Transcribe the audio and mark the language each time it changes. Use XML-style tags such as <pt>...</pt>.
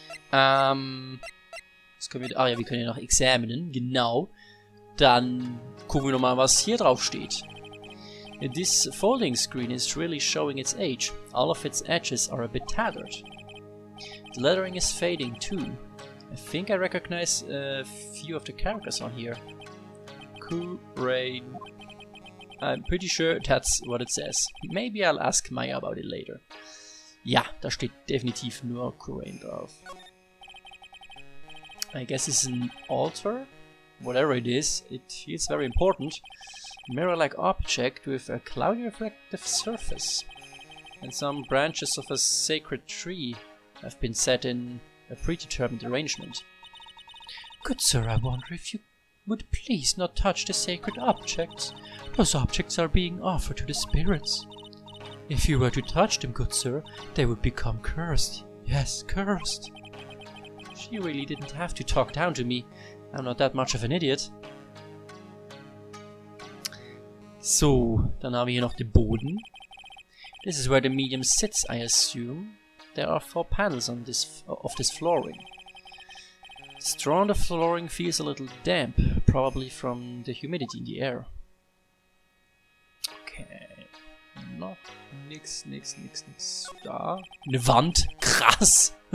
<de>Was können wir... Ah ja, wir können ja noch examinen. Genau. Dann gucken wir nochmal, was hier drauf steht.</de> <en>This folding screen is really showing its age. All of its edges are a bit tattered. The lettering is fading too. I think I recognize a few of the characters on here. Kurain... I'm pretty sure that's what it says. Maybe I'll ask Maya about it later.</en> <de>Ja, da steht definitiv nur Kurain drauf.</de> <en>I guess it's an altar? Whatever it is, it feels very important. Mirror-like object with a cloudy reflective surface. And some branches of a sacred tree have been set in a predetermined arrangement. Good sir, I wonder if you would please not touch the sacred objects. Those objects are being offered to the spirits. If you were to touch them, good sir, they would become cursed. Yes, cursed. She really didn't have to talk down to me. I'm not that much of an idiot.</en> <de>So, dann haben wir hier noch den Boden.</de> <en>This is where the medium sits, I assume. There are four panels on this of this flooring. Straw on the flooring feels a little damp, probably from the humidity in the air.</en> <de>Okay. Not nix. Da. Eine Wand? Krass!</de>